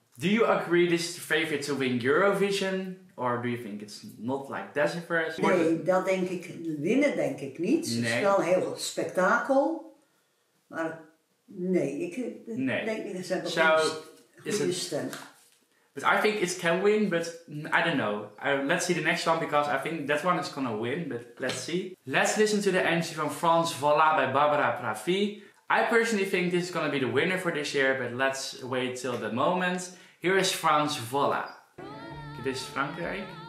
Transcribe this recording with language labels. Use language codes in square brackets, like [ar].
[en] Do you agree this is the favorite to win Eurovision? Or do you think it's not like that at first? [nl] Nee, dat denk ik. Winnen denk ik niet. Nee. Het is wel een heel spektakel. Maar nee, ik denk niet dat ze hebben een goede stem. [en] But I think it can win, but I don't know. Let's see the next one, because I think that one is gonna win, but let's see. Let's listen to the entry from Frans Valla by Barbara Pravi. I personally think this is going to be the winner for this year, but let's wait till the moment. Here is Frans Valla. [nl] Dit is Frankrijk.